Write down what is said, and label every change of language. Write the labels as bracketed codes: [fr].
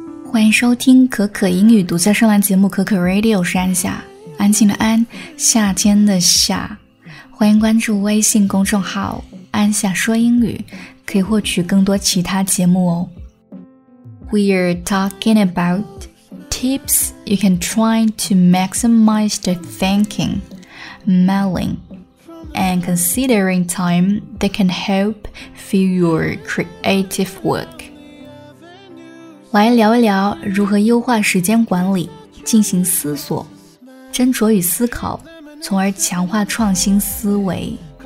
[zh] 欢迎收听可可英语独家上栏节目可可 Radio， 是安夏，安静的安，夏天的夏。欢迎关注微信公众号安夏说英语，可以获取更多其他节目哦。 [en] We're talking about tips you can try to maximize the thinking, mulling, and considering time that can help fuel your creative work. [zh] 来聊一聊如何优化时间管理，进行思索、斟酌与思考，从而强化创新思维。